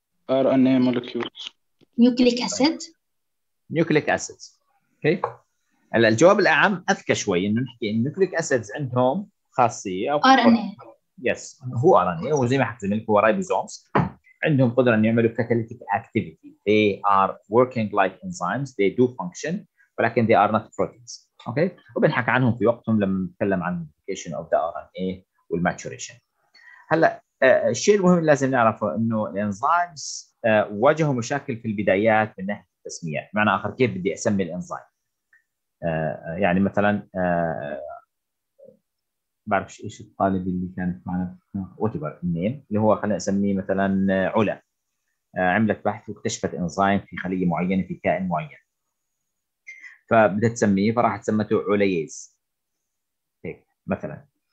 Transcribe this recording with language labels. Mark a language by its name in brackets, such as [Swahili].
[English] R N A molecules. Nucleic acid. Nucleic acid. [Arabic] اوكي، هلا الجواب الاعم اذكى شوي، انه نحكي ان نيوكليك اسيدز عندهم خاصيه [English] او R N A. [Arabic] يس، هو ار ان اي، وزي ما حكيت لك هو رايبوزومز عندهم قدره ان يعملوا كاتاليتيك اكتيفيتي. [English] They are working like enzymes. They do function. ولكن they are not proteins. [Arabic] اوكي، وبنحكي عنهم في وقتهم لما نتكلم عن [English] modification of the RNA [Arabic] والماتوريشن. هلا الشيء المهم اللي لازم نعرفه انه الانزيمز واجهوا مشاكل في البدايات من ناحيه التسميه، بمعنى اخر كيف بدي اسمي الانزيم؟ يعني مثلا بعرفش ايش الطالب اللي كان معنا وتبر النيم اللي هو خلينا نسميه مثلا علا، عملت بحث واكتشفت انزيم في خليه معينه في كائن معين، فبدها تسميه، فراحت سمته عليز هيك مثلا.